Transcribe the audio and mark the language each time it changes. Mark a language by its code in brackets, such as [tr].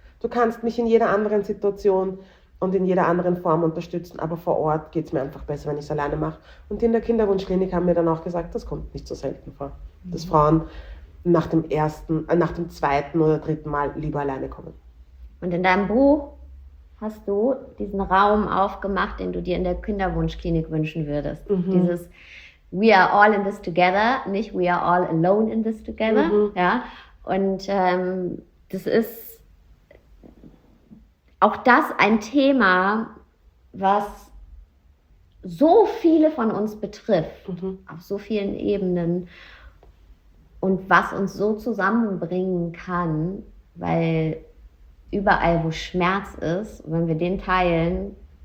[de] Du kannst mich in jeder anderen Situation und in jeder anderen Form unterstützen, aber vor Ort geht es mir einfach besser, wenn ich es alleine mache. Und in der Kinderwunschklinik haben mir dann auch gesagt, das kommt nicht so selten vor, dass Frauen nach dem ersten, nach dem zweiten oder dritten Mal lieber alleine kommen. Und in deinem Buch hast du diesen Raum aufgemacht, den du dir in der Kinderwunschklinik wünschen würdest. Dieses [en] We are all in this together, nicht We are all alone in this together. [de] Ja? Und das ist auch das ein Thema, was so viele von uns betrifft, auf so vielen Ebenen und was uns so zusammenbringen kann, weil überall, wo Schmerz ist, wenn wir den teilen,